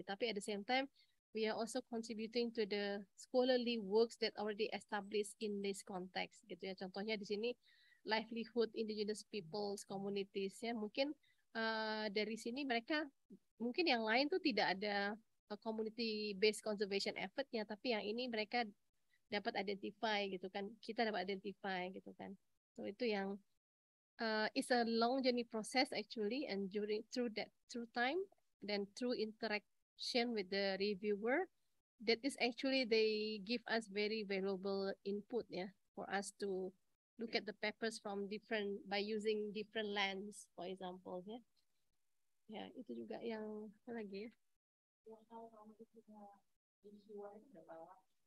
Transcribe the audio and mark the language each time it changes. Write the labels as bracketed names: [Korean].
[English] Tapi at the same time, we are also contributing to the scholarly works that already established in this context. [Indonesian] Gitu ya. Contohnya di sini, [English] livelihood indigenous peoples, communities. [Indonesian] Ya. Mungkin dari sini mereka, mungkin yang lain tuh tidak ada [English] community-based conservation effort- [Indonesian] nya, tapi yang ini mereka dapat identify gitu kan. Kita dapat identify gitu kan. So itu yang [English] it's a long journey process actually, and during through time, then through interaction with the reviewer, that is actually they give us very valuable input, yeah, for us to look at the papers from different, by using different lens, for example, yeah. [Indonesian] Yeah, itu juga yang apa lagi ya? Yang tahu kamu itu reviewer itu berapa lama?